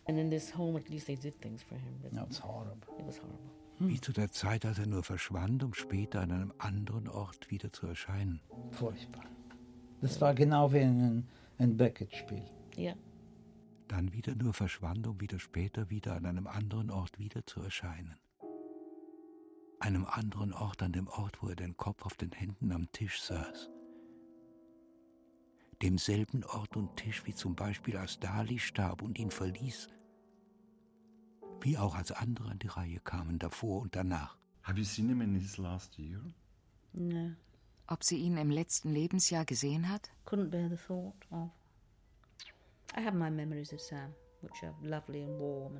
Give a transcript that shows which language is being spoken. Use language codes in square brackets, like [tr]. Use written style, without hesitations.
[en] And in this home, at least they did things for him. That's horrible. It was horrible. [de] Wie zu der Zeit, als er nur verschwand, um später an einem anderen Ort wieder zu erscheinen. Furchtbar. Das war genau wie ein Beckett-Spiel. Ja. Dann wieder nur verschwand, um wieder später wieder an einem anderen Ort wieder zu erscheinen. Einem anderen Ort, an dem Ort, wo er den Kopf auf den Händen am Tisch saß. Demselben Ort und Tisch, wie zum Beispiel als Dali starb und ihn verließ. Wie auch als andere an die Reihe kamen, davor und danach. [en] Have you seen him in his last year? No. [de] Ob sie ihn im letzten Lebensjahr gesehen hat? [en] Couldn't bear the thought of. I have my memories of Sam, which are lovely and warm.